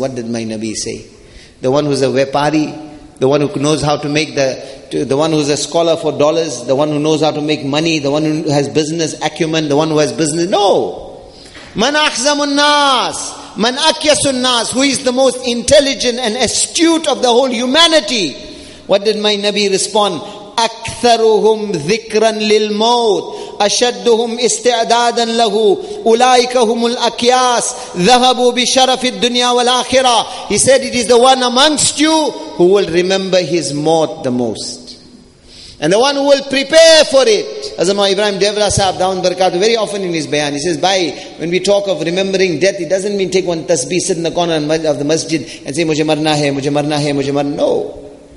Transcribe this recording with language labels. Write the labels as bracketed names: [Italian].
[English] What did my Nabi say? The one who's a wepari, the one who knows how to make the one who's a scholar for dollars, the one who knows how to make money, the one who has business acumen, the one who has business. No! Man ahzamun nas, man akyasun nas, who is the most intelligent and astute of the whole humanity? What did my Nabi respond? [Arabic] أكثرهم ذكرا للموت أشدهم استعدادا له أولئك هم الأكياس ذهبوا بشرف الدنيا والآخرة. [English] He said, it is the one amongst you who will remember his mort the most, and the one who will prepare for it. As Imam Ibrahim Devla Sahib Daun Barakat, very often in his bayan, he says, bhai, when we talk of remembering death, it doesn't mean take one tasbih, sit in the corner of the masjid and say, [Urdu] mujhe marna hai, mujhe marna [English] hai, mujhe marna. No.